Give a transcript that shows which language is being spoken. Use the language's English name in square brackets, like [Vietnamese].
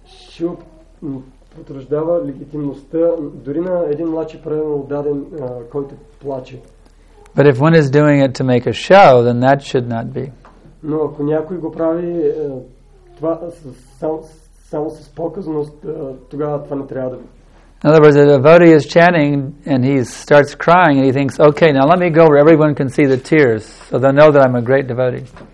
[Bulgarian] Шрила потвърждава легитимността дори на един младши преданал даден, който плаче. [English] But if one is doing it to make a show, then that should not be. [Bulgarian] Но ако някой го прави това само с показност, тогава това не трябва да бъде. [English] In other words, a devotee is chanting and he starts crying and he thinks, okay, now let me go where everyone can see the tears so they'll know that I'm a great devotee.